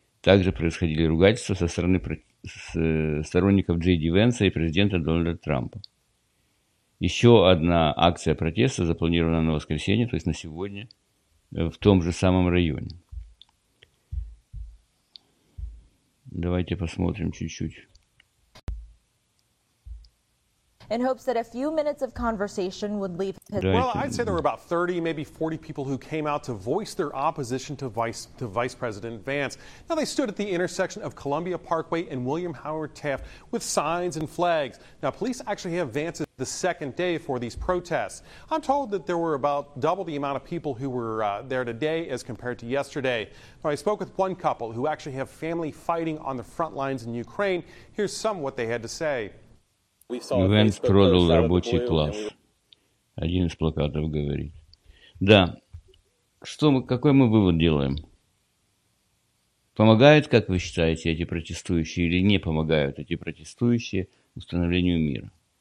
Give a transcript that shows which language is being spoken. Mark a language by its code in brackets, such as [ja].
[ru] Также происходили ругательства со стороны сторонников Джей Ди Венса и президента Дональда Трампа. Еще одна акция протеста запланирована на воскресенье, то есть на сегодня, в том же самом районе. Давайте посмотрим чуть-чуть. [en] In hopes that a few minutes of conversation would leave his... Well, I'd say there were about 30, maybe 40 people who came out to voice their opposition to Vice President Vance. Now, they stood at the intersection of Columbia Parkway and William Howard Taft with signs and flags. Now, police actually have Vance's the second day for these protests. I'm told that there were about double the amount of people who were there today as compared to yesterday. So I spoke with one couple who actually have family fighting on the front lines in Ukraine. Here's some of what they had to say. We saw [ru] Vance продал рабочий класс. Один из плакатов говорит. Да, Какой мы вывод делаем? Помогают, как вы считаете, эти протестующие или не помогают эти протестующие установлению мира?